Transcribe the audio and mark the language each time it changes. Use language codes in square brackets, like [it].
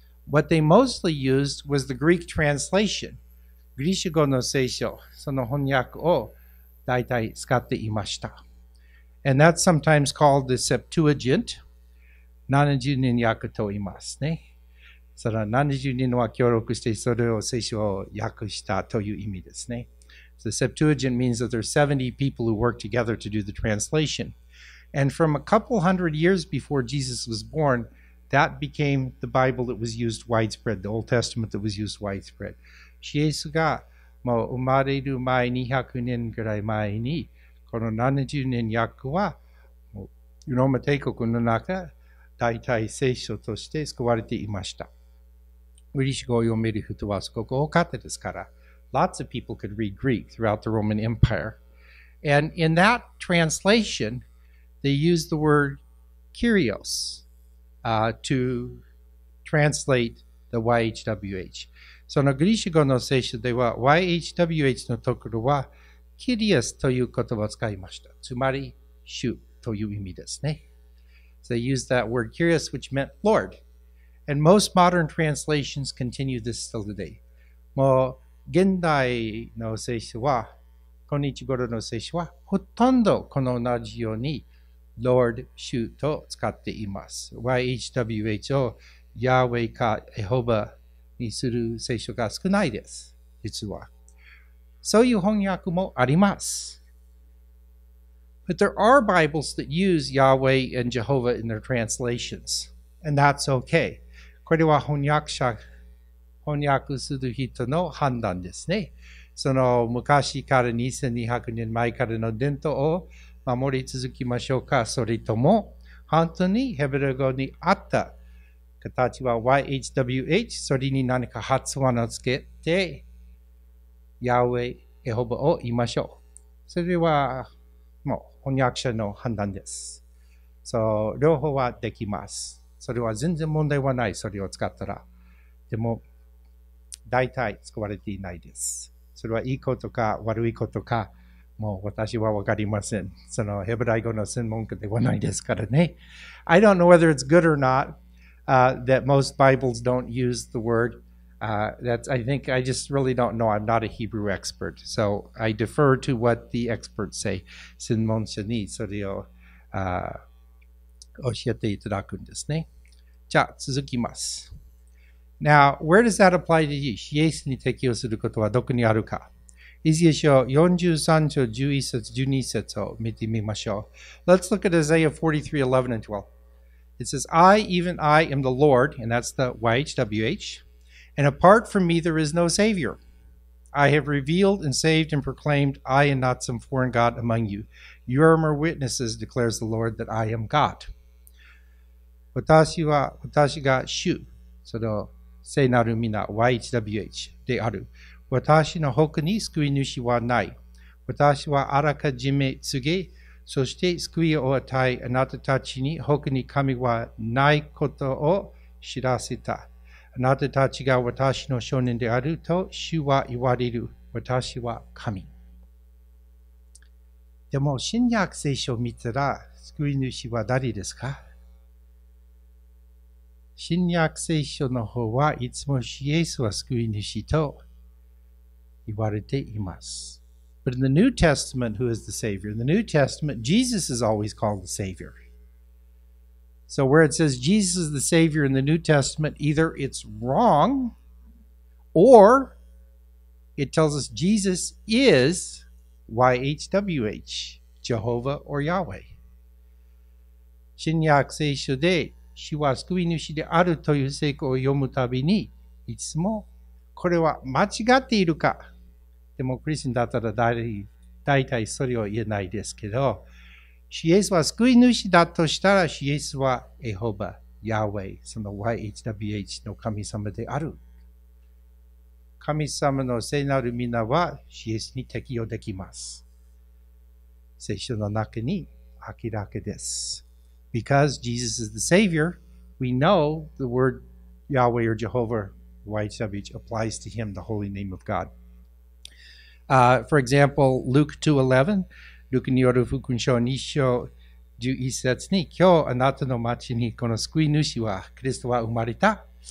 [en] What they mostly used was the Greek translation. [ja] ギリシャ語の聖書、その翻訳を大体使っていました。 [en] And that's sometimes called the Septuagint. [ja] 70人訳と言いますね。その70人は協力してそれを聖書を訳したという意味ですね。 [en] The Septuagint means that there are 70 people who work together to do the translation. And from a couple hundred years before Jesus was born,That became the Bible that was used widespread, the Old Testament that was used widespread. [ja] イエスがもう生まれる前200年ぐらい前に、この70年訳は、ローマ帝国の中、大体聖書として使われていました。グリシャ語を読める人はすごく多かったですから、 [en] Lots of people could read Greek throughout the Roman Empire. And in that translation, they used the word Kyrios. To translate the YHWH. [ja] そのグリシャ語の聖書では YHWH のところはキリアスという言葉を使いました。つまり主という意味ですね。 [en] So they used that word Kyrios, which meant Lord. And most modern translations continue this still today. [ja] もう現代の聖書は、今日頃の聖書はほとんどこの同じようにLord 主と使っています。 YHWH を Yahweh か Jehovah にする聖書が少ないです。実は。そういう翻訳もあります。 [en] But there are Bibles that use Yahweh and Jehovah in their translations. And that's okay. [ja] これは翻訳する人の判断ですね。その昔から2200年前からの伝統を守り続けましょうか、それとも本当にヘブル語にあった形は YHWH、それに何か発音をつけてヤウェイ、エホバを言いましょう。それはもう翻訳者の判断です。 So, 両方はできます。それは全然問題はない、それを使ったら。でも大体使われていないです。それはいいことか悪いことか。もう私は分かりません。そのヘブライ語の専門家ではないですからね。 [en] I don't know whether it's good or not, that most Bibles don't use the word. I just really don't know. I'm not a Hebrew expert. So I defer to what the experts say. [ja] 専門者にそれを、教えていただくんですね。じゃあ続きます。 [en] Now, where does that apply to you? [ja] イエスに適用することはどこにあるか。イザヤ書43章11節12節を見てみましょう。 [en] Let's look at Isaiah 43, 11 and 12. It says, I, even I, am the Lord, and that's the YHWH, and apart from me there is no Savior. I have revealed and saved and proclaimed, I am not some foreign God among you. You are my witnesses, declares the Lord, that I am God. [ja] 私が主、その聖なる皆、YHWH である。私の他に救い主はない。私はあらかじめ告げ、そして救いを与え、あなたたちに他に神はないことを知らせた。あなたたちが私の証人であると主は言われる。私は神。でも、新約聖書を見たら、救い主は誰ですか？新約聖書の方はいつもイエスは救い主と、言われています。 [en] But in the New Testament, who is the Savior? In the New Testament, Jesus is always called the Savior. So where it says Jesus is the Savior in the New Testament, either it's wrong, or it tells us Jesus is YHWH, Jehovah or Yahweh. [ja] 新約聖書で、主は救い主であるという聖句を読むたびに、いつもこれは間違っているか。でもクリスチャンだったら大体それを言えないですけど、イエスは救い主だとしたら、イエスはエホバ、ヤウェイ、その YHWH の神様である。神様の聖なる皆はイエスに適用できます。聖書の中に明らかです。 [en] Because Jesus is the Savior, we know the word Yahweh or Jehovah, YHWH, applies to him, the holy name of God. For example, Luke 2:11, [ja] ルカによる福音書2章11節に、今日あなたの町にこの救い主は、キリストは生まれた。